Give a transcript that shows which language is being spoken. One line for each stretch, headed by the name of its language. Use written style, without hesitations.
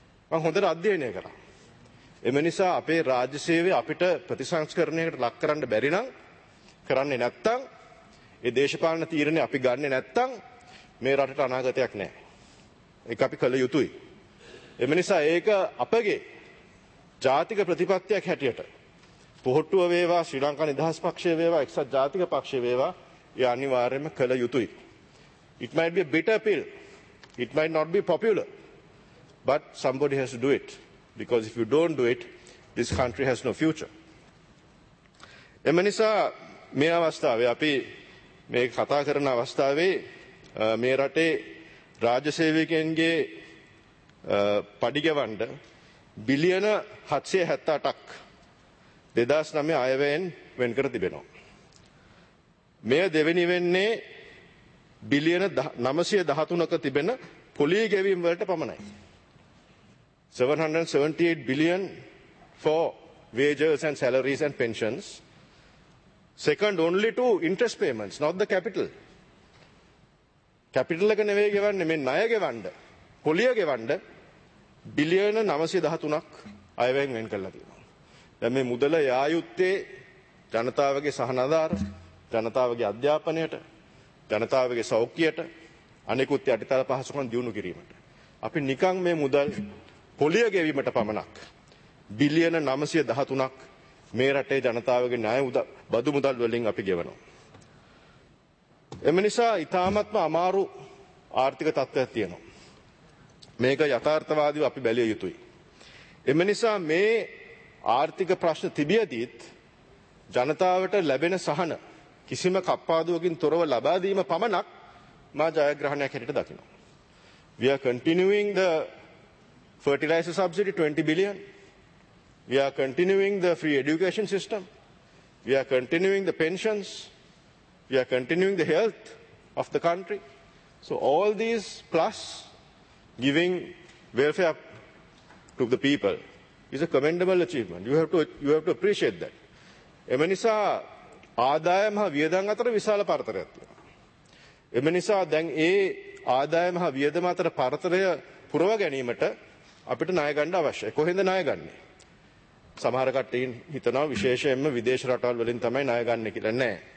Sinhala: මම හොඳට අධ්‍යයනය කරා. එම නිසා අපේ රාජ්‍ය සේවය අපිට ප්‍රතිසංස්කරණයකට ලක් කරන්න බැරි නම් කරන්නේ නැත්තම් ඒ දේශපාලන තීරණේ අපි ගන්නෙ නැත්තම් මේ රටට අනාගතයක් නැහැ. ඒක අපි කළ යුතුයි. එම නිසා ඒක අපගේ ජාතික ප්‍රතිපත්තියක් හැටියට පොහොට්ටුව වේවා, ශ්‍රී ලංකා නිදහස් පක්ෂය වේවා, එක්සත් ජාතික පක්ෂය වේවා, ඒ අනිවාර්යයෙන්ම කළ යුතුයි.
English: It might be a bitter pill. It might not be popular. But somebody has to do it. Because if you don't do it, this country has no future.
Sinhala: එම නිසා මේ අවස්ථාවේ අපි මේ කතා කරන අවස්ථාවේ මේ රටේ රාජ්‍ය සේවකයන්ගේ පඩිගෙවන්න බිලියන 778ක් 2009 අයවැයෙන් වෙන් කර තිබෙනවා. මෙය දෙවෙනි වෙන්නේ බිලියන 913ක තිබෙන පොලී ගෙවීම් වලට පමණයි.
English: 778 billion for wages and salaries and pensions. Second only to interest payments, not the capital.
Sinhala: Capital එක නෙවෙයි ගෙවන්නේ, මේ ණය ගෙවන්න, පොලිය ගෙවන්න බිලියන 913ක් අයවැයෙන් වෙන් කරලා තියෙනවා. දැන් මේ මුදල යා යුත්තේ ජනතාවගේ සහනාධාර, ජනතාවගේ අධ්‍යාපනයට, ජනතාවගේ සෞඛ්‍යයට, අනෙකුත් යටිතල පහසුකම් දියුණු කිරීමට. අපි නිකන් මේ මුදල් පොලිය ගෙවීමට පමණක් බිලියන 913ක් මේ රටේ ජනතාවගේ ණය බදු මුදල් වලින් අපි ගෙවනවා. එම නිසා ඉතාමත්ම අමාරු ආර්ථික තත්ත්වයක් තියෙනවා. මේක යථාර්ථවාදීව අපි බැලිය යුතුයි. එම නිසා මේ ආර්ථික ප්‍රශ්න තිබියදීත් ජනතාවට ලැබෙන සහන කිසිම කප්පාදුවකින් තොරව ලබා දීම පමණක් මා ජයග්‍රහණයක් හැටියට දකිනවා.
English: We are continuing the fertilizer subsidy 20 billion. We are continuing the free education system. We are continuing the pensions. We are continuing the health of the country. So all these plus giving welfare to the people is a commendable achievement. You have to appreciate that.
Sinhala: එම නිසා ආදායම හා වියදම් අතර විශාල පරතරයක් තියෙනවා. එම නිසා දැන් ඒ ආදායම හා වියදම් අතර පරතරය පුරව ගැනීමට අපිට ණය ගන්න අවශ්‍යයි. කොහෙන්ද ණය ගන්නෙ? සමහර කට්ටිය හිතනවා විශේෂයෙන්ම විදේශ රටවල් වලින් තමයි ණය ගන්න කියලා. නෑ.